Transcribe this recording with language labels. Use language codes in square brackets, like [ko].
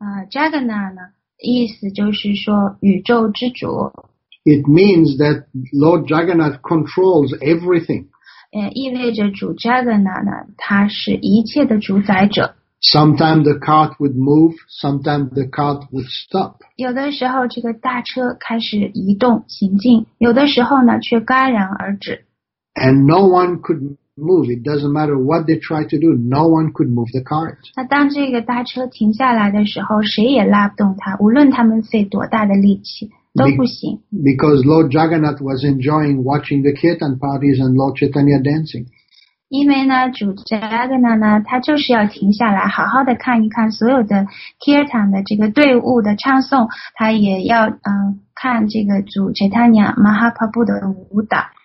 [zh] Jagannath 呢，意思就是说宇宙之主。 [en] It means that Lord Jagannath controls everything. [zh] 意味着主 Jagannath 呢，他是一切的主宰者。 [en] Sometimes the cart would move, sometimes the cart would stop. [zh] 有的时候这个大车开始移动行进，有的时候呢却戛然而止。 [en] And no one could move. It doesn't matter what they try to do, no one could move the cart. [zh] 那当这个大车停下来的时候，谁也拉不动它，无论他们费多大的力气都不行。 [en] Because Lord Jagannath was enjoying watching the kirtan parties and Lord Chaitanya dancing. [zh] 因为呢，主 Jagannath 呢，他就是要停下来，好好的看一看所有的 kirtan 的这个队伍的唱诵，他也要看这个主 Chaitanya Mahaprabhu 的舞蹈。